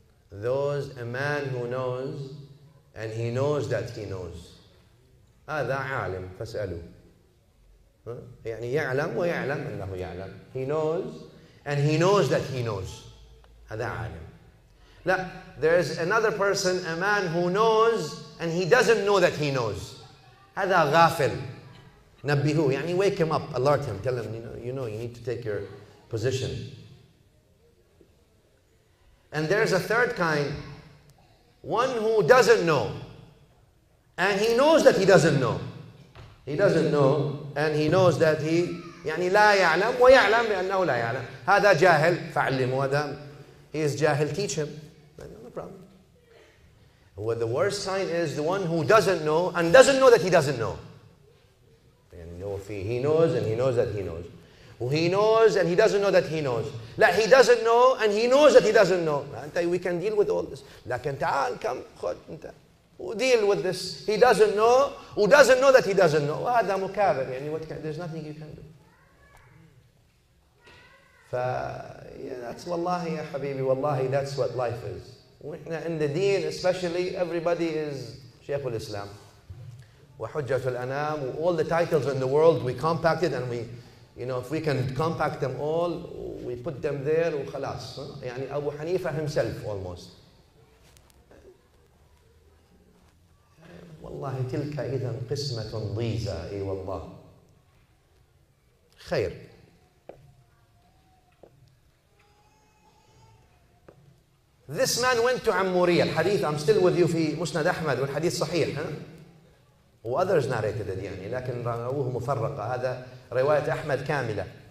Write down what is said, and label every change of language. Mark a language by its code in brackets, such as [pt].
[en] Those, a man who knows, and he knows that he knows. [ar] هذا عالم فاسألوا. يعني يعلم ويعلم أنه يعلم. [en] He knows, and he knows that he knows. [ar] هذا عالم. [en] لا, there is another person, a man who knows, and he doesn't know that he knows. [ar] هذا غافل. نبهه, يعني [en] wake him up, alert him, tell him, you know, you need to take your position. And there's a third kind, one who doesn't know. And he knows that he doesn't know. He doesn't know, and he knows that he, [ar] يعني لا يعلم ويعلم بأنه لا يعلم. هذا جاهل فعلمه, هذا, [en] he is [ar] جاهل, [en] teach him. No problem. Well, the worst kind is the one who doesn't know, and doesn't know that he doesn't know. He knows, and he knows that he knows. He knows, and he doesn't know that he knows. لا, he doesn't know, and he knows that he doesn't know. We can deal with all this. [ar] لكن تعال, [en] come, [ar] خد, انت. [en] Deal with this. He doesn't know, who doesn't know that he doesn't know. [ar] هذا مكابر, يعني [en] what can, there's nothing you can do. Yeah, that's wallahi, ya habibi, wallahi, that's what life is. In the deen especially, everybody is Shaykh al-Islam. [ar] وَحُجَّةُ الْأَنَامُ. [en] All the titles in the world, we compacted, and we, you know, if we can compact them all, we put them there, وخلاص. يعني Abu Hanifa himself, almost. [ar] والله تلك إذا قسمة ضيزى أي والله خير. [en] This man went to Ammuriyah. Al-Hadith, I'm still with you [ar] في مسند أحمد والحديث صحيح. [en] Huh? Others narrated it, يعني. [ar] لكن رواه مفرقة. هذا رواية أحمد كاملة.